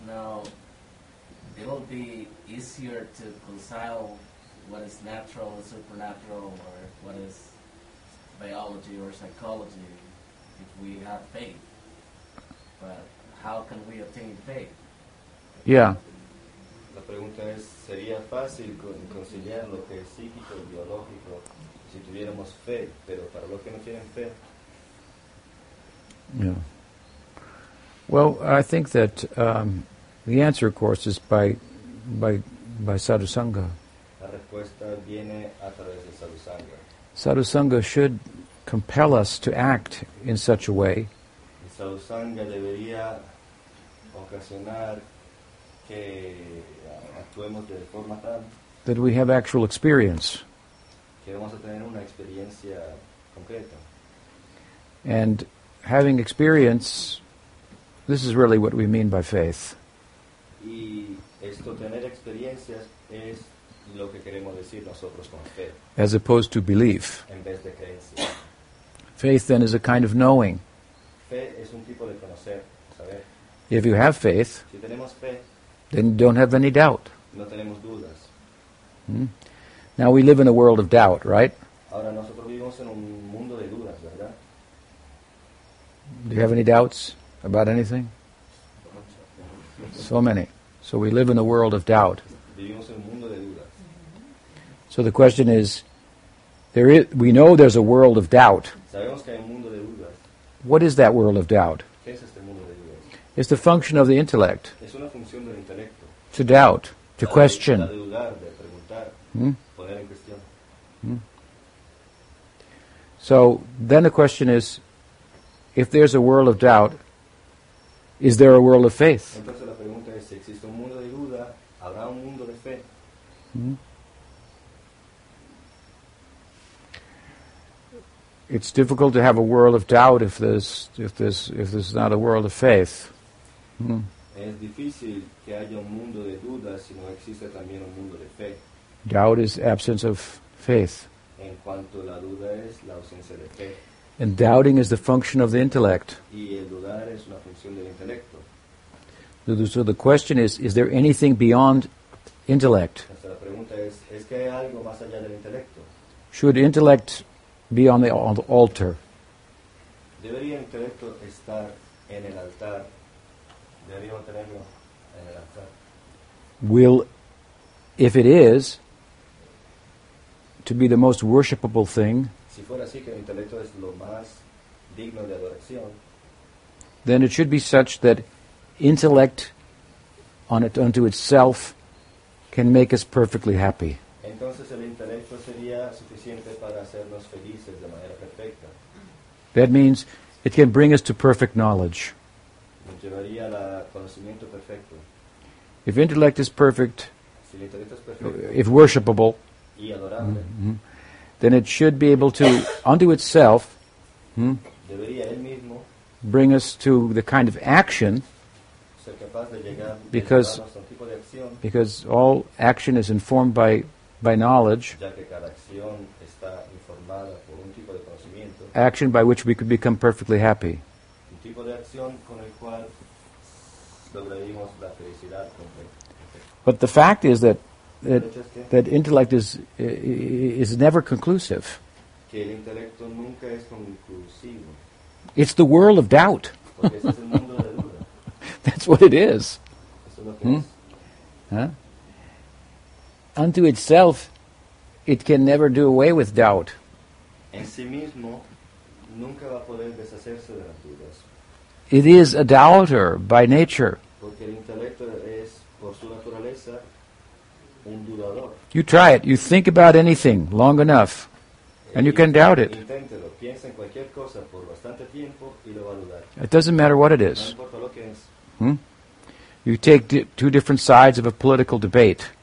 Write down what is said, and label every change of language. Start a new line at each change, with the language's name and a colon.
English: Now, it will be easier to reconcile what is natural and supernatural, or what is biology or psychology, if we have faith. But how can we obtain faith? Yeah.
Spanish: La pregunta es, ¿sería fácil conciliar lo que es psíquico y biológico? Si tuviéramos fe, pero para los que no tienen fe. Yeah.
English: Well, I think that the answer, of course, is by sadhusanga.
Spanish: La respuesta viene a través de sadhusanga.
English: Sadhusanga should compel us to act in such a way.
Spanish: Sadhusanga debería ocasionar que actuemos de forma tal
English: that we have actual experience.
Spanish: Vamos a tener una experiencia concreta.
English: And having experience, this is really what we mean by faith.
Spanish: Y esto, tener experiencias, es lo que queremos decir nosotros con fe.
English: As opposed to belief.
Spanish: En vez de creencia.
English: Faith then is a kind of knowing.
Spanish: Fe es un tipo de conocer, saber.
English: If you have faith,
Spanish: si tenemos fe,
English: then don't have any doubt.
Spanish: No tenemos dudas.
English: Now we live in a world of doubt, right?
Spanish: Ahora nosotros vivimos en un mundo de dudas, ¿verdad?
English: Do you have any doubts about anything? So many. So we live in a world of doubt.
Spanish: Vivimos en un mundo de dudas.
English: So the question is, there is, we know there's a world of doubt.
Spanish: Sabemos que hay un mundo de dudas.
English: What is that world of doubt?
Spanish: ¿Qué es este mundo de dudas?
English: It's the function of the intellect.
Spanish: Es una función del intelecto.
English: To doubt, to question.
Spanish: De dudar, de preguntar, poner en cuestión.
English: So then the question is, if there's a world of doubt, is there a world of faith?
Spanish: Entonces la pregunta es, si existe un mundo de duda, ¿habrá un mundo de fe?
English: It's difficult to have a world of doubt if there's not a world of faith.
Spanish: Es difícil que haya un mundo de duda si no existe también un mundo de fe.
English: Doubt is absence of faith.
Spanish: En cuanto a la duda es la ausencia de fe.
English: And doubting is the function of the intellect.
Spanish: Y el dudar es una función del intelecto.
English: So the question is there anything beyond intellect?
Spanish: Entonces la pregunta es que hay algo más allá del intelecto?
English: Should intellect be on the altar?
Spanish: Debería el intelecto estar en el altar. Debería tenerlo en el altar.
English: Will, if it is, to be the most worshipable thing,
Spanish: si fuera así, que el intelecto es lo más digno de adoración,
English: then it should be such that intellect unto itself can make us perfectly happy.
Spanish: Entonces el intelecto sería suficiente para hacernos felices de manera perfecta.
English: That means it can bring us to perfect knowledge.
Spanish: Nos llevaría al conocimiento perfecto.
English: If intellect is perfect,
Spanish: si el intelecto es perfecto,
English: if worshipable,
Spanish: y adorable,
English: then it should be able to, unto itself,
Spanish: debería él mismo
English: bring us to the kind of action,
Spanish: ser capaz de llegar,
English: because,
Spanish: de llevarnos a un tipo de acción,
English: because all action is informed by knowledge,
Spanish: ya que cada acción está informada por un tipo de conocimiento,
English: action by which we could become perfectly happy.
Spanish: Un tipo de acción con el cual lograríamos la felicidad completa.
English: But the fact is that intellect is never conclusive.
Spanish: Que el intelecto nunca es conclusivo.
English: It's the world of doubt.
Spanish: Porque ese es el mundo de duda.
English: That's what it is.
Spanish: Eso es lo que es. Huh?
English: Unto itself, it can never do away with doubt.
Spanish: En sí mismo, nunca va a poder deshacerse de las dudas.
English: It is a doubter by nature.
Spanish: Porque el intelecto es, por su naturaleza, un dudador.
English: You try it. You think about anything long enough, and you can doubt it.
Spanish: Inténtelo. Piensa en cualquier cosa por bastante tiempo y lo va a dudar.
English: It doesn't matter what it is.
Spanish: No importa lo que es.
English: You take two different sides of a political debate.